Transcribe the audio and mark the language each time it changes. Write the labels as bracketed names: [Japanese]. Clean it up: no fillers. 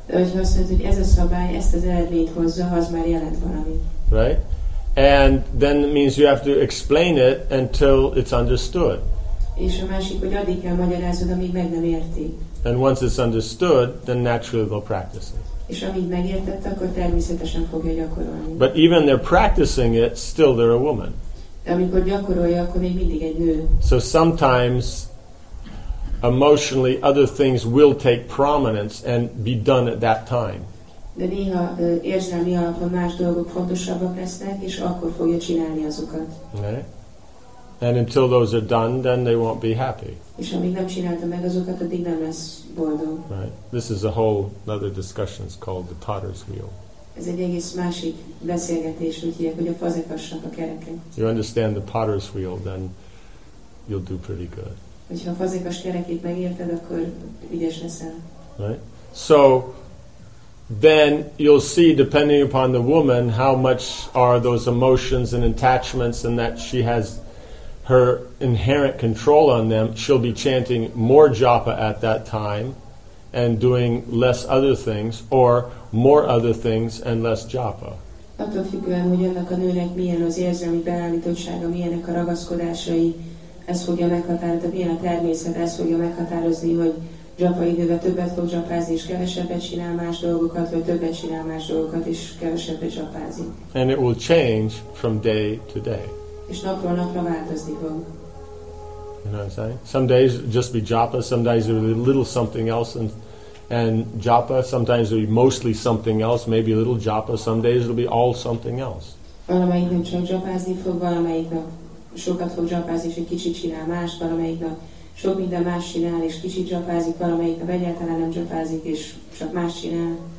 [Hungarian] De hogy azt mondod, hogy ez a szabály, ezt az eredményt hozza, az már jelent valami. [English] Right? And then it means you have to explain it until it's understood. [Hungarian] És a másik, hogy addig kell magyarázod, amíg meg nem érti. [English] And once it's understood, then naturally they'll practice it. [Hungarian] És amíg megértett, akkor természetesen fogja gyakorolni. [English] But even they're practicing it, still they're a woman. [Hungarian] De amikor gyakorolja, akkor még mindig egy nő. [English] So sometimes, emotionally, other things will take prominence and be done at that time. [Hungarian] De néha érzelmi alapon más dolgok fontosabbak lesznek, és akkor fogja csinálni azokat. [English] Okay. And until those are done, then they won't be happy. [Hungarian] És amíg nem csinálta meg azokat, addig nem lesz boldog. [English] Right. This is a whole other discussion. It's called the potter's wheel. [Hungarian] Ez egy egész másik beszélgetés, hogy a fazekassnak a kereke. [English] You understand the potter's wheel, then you'll do pretty good. [Hungarian] Hogyha a fazekas kerekét megérted, akkor ügyes leszel. [English] Right. So then you'll see, depending upon the woman, how much are those emotions and attachments, and that she has her inherent control on them. She'll be chanting more japa at that time and doing less other things, or more other things and less japa. [Hungarian] Attól függően, hogy annak a nőnek milyen az érzelmi beállítottsága, milyenek a ragaszkodásai, ez fogja meghatározni, milyen a természet, ez fogja meghatározni, hogy japa időben többet fog japázni, és kevesebbet csinál más dolgokat, vagy többet csinál más dolgokat, és kevesebbet japázik. [English] And it will change from day to day. [Hungarian] És napról napra változni fog. [English] You know what I'm saying? Some days just be japa, some days a little something else, and japa, sometimes it'll be mostly something else, maybe a little japa, some days it'll be all something else. [Hungarian] Valamelyik nap csak japázni fog, valamelyik nap sokat fog japázni, és egy kicsit csinál más, valamelyik nap sok minden más csinál, és kicsit japázik, valamelyik nap egyáltalán nem japázik, és csak más csinál.